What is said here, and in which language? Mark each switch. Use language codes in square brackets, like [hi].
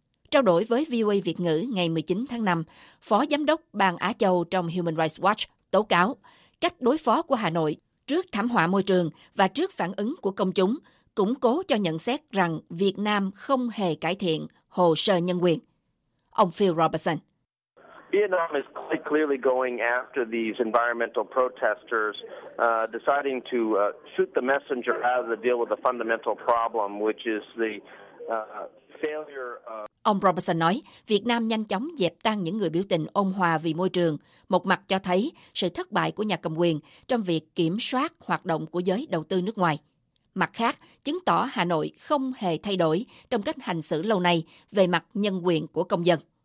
[vi] Trao đổi với VOA Việt ngữ ngày 19 tháng 5, Phó Giám đốc Ban Á Châu trong Human Rights Watch tố cáo cách đối phó của Hà Nội trước thảm họa môi trường và trước phản ứng của công chúng củng cố cho nhận xét rằng Việt Nam không hề cải thiện hồ sơ nhân quyền. Ông Phil Robertson. [en] Vietnam is quite clearly going after these environmental protesters, deciding to shoot the messenger rather than deal with the fundamental problem, which is the failure. [vi] Ông Robertson nói, Việt Nam nhanh chóng dẹp tan những người biểu tình ôn hòa vì môi trường, một mặt cho thấy sự thất bại của nhà cầm quyền trong việc kiểm soát hoạt động của giới đầu tư nước ngoài. Mặt khác, chứng tỏ Hà Nội không hề thay đổi trong cách hành xử lâu nay về mặt nhân quyền của công dân.